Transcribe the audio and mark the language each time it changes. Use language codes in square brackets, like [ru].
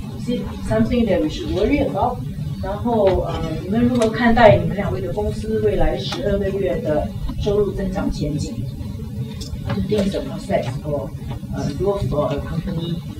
[en] Is it something that we should worry about? [zh] 然后你们如何看待你们两位的公司未来12个月的收入增长前景？ [en] Do you think the prospects for growth for a company?